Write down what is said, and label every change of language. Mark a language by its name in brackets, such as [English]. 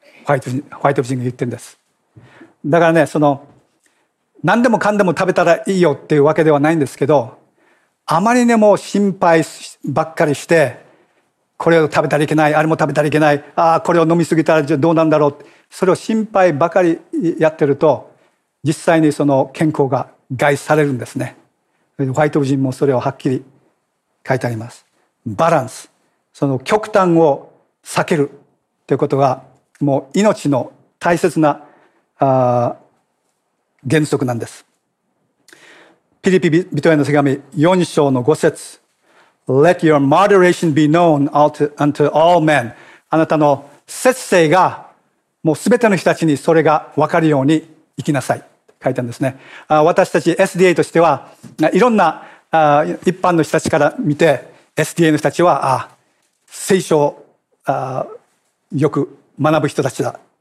[Japanese] ホワイト夫人が言ってるんです。だからね、その何でもかんでも食べたらいいよっていうわけではないんですけど、あまりにも心配ばっかりして、これを食べたらいけない、あれも食べたらいけない、ああこれを飲みすぎたらどうなんだろう、それを心配ばかりやってると実際にその健康が害されるんですね。ホワイト夫人もそれをはっきり書いてあります。バランス、その極端を避けるということがもう命の大切な原則なんです。ピリピ人への手紙4章の5節、 [English] Let your moderation be known unto all men. [Japanese] あなたの節制がもう全ての人たちにそれが分かるように生きなさい、書いてあるんですね。私たち SDA としてはいろんな一般の人たちから見て、 SDA の人たちは聖書をよく学ぶ人たちだ、